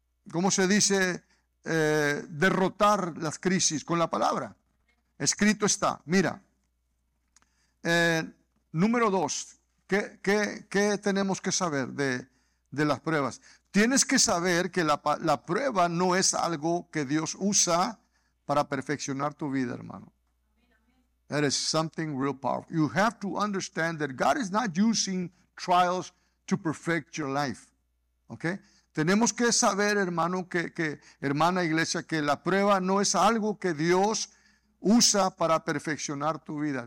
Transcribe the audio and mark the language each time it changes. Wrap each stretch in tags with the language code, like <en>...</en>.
<es>¿Cómo se dice? Derrotar las crisis con la palabra. Escrito está. Mira. Número dos. ¿Qué tenemos que saber de las pruebas? Tienes que saber que la prueba no es algo que Dios usa para perfeccionar tu vida, hermano.</es> <en>That is something real powerful. You have to understand that God is not using trials to perfect your life. Okay?</en> <es>Tenemos que saber, hermano, que hermana iglesia, que la prueba no es algo que Dios usa para perfeccionar tu vida.</es>